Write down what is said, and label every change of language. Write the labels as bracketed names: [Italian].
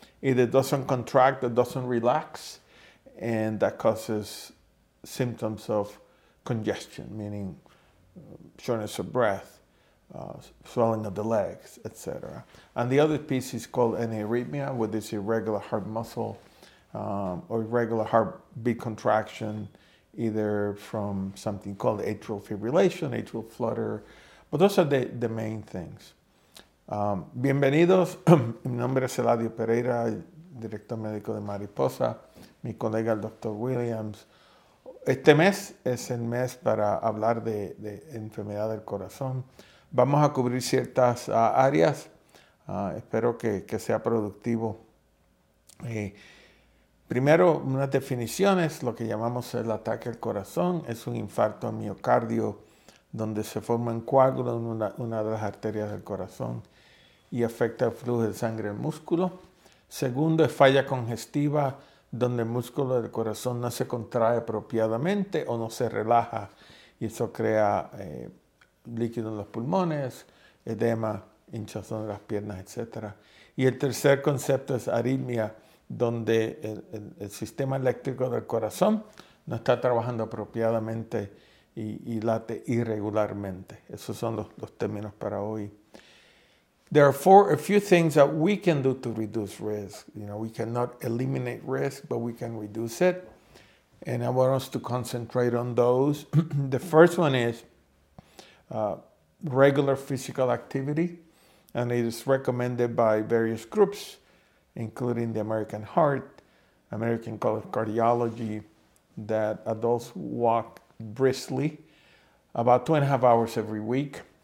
[English] Either doesn't contract or doesn't relax. And that causes symptoms of congestion, meaning shortness of breath, swelling of the legs, etc. And the other piece is called an arrhythmia, where this irregular heart muscle or irregular heartbeat contraction, either from something called atrial fibrillation, atrial flutter. But those are the main things. [Spanish] Bienvenidos. Mi nombre es Eladio Pereira, director médico de Mariposa. Mi colega, el Dr. Williams. Este mes es el mes para hablar de enfermedad del corazón. Vamos a cubrir ciertas áreas. Espero que sea productivo. Primero, unas definiciones, lo que llamamos el ataque al corazón. Es un infarto miocardio donde se forma un coágulo en una de las arterias del corazón y afecta el flujo de sangre al músculo. Segundo, es falla congestiva donde el músculo del corazón no se contrae apropiadamente o no se relaja y eso crea líquido en los pulmones, edema, hinchazón de las piernas, etc. Y el tercer concepto es arritmia, donde el sistema eléctrico del corazón no está trabajando apropiadamente y late irregularmente. Esos son los términos para hoy. [English] There are a few things that we can do to reduce risk. You know, we cannot eliminate risk, but we can reduce it. And I want us to concentrate on those. The first one is regular physical activity, and it is recommended by various groups, including the American Heart, American College of Cardiology, that adults walk briskly about 2.5 hours every week.